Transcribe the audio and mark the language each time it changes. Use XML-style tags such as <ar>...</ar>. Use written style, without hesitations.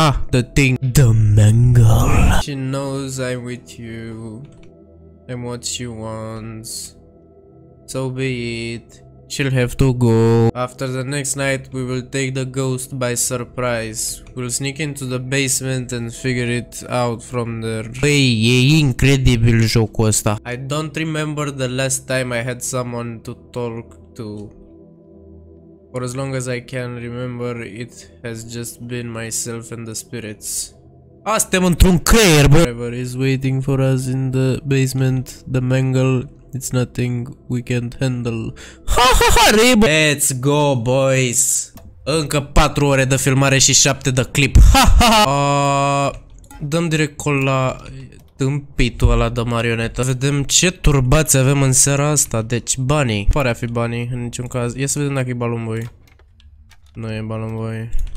<en>The thing. The mangle. She knows I'm with you. And what she wants. So be it. She'll have to go. After the next night, we will take the ghost by surprise. We'll sneak into the basement and figure it out from there.</en> <ro>Băi, e incredibil jocul ăsta.</ro> <en>I don't remember the last time I had someone to talk to. For as long as I can remember, it has just been myself and the spirits.</en> <ro>Ah, suntem într-un creier, bă!</ro> <en>Whoever is waiting for us in the basement, the mangle, it's nothing we can't handle. Ha ha ha, ribă! Let's go, boys!</en> <ro>Încă 4 ore de filmare și 7 de clip. Ha ha ha! Dăm direct call la tâmpitul ăla de marionetă. Vedem ce turbați avem în seara asta. Deci banii. Pare a fi banii în niciun caz. Ia să vedem dacă e balon boy. Nu e balon boy.</ro>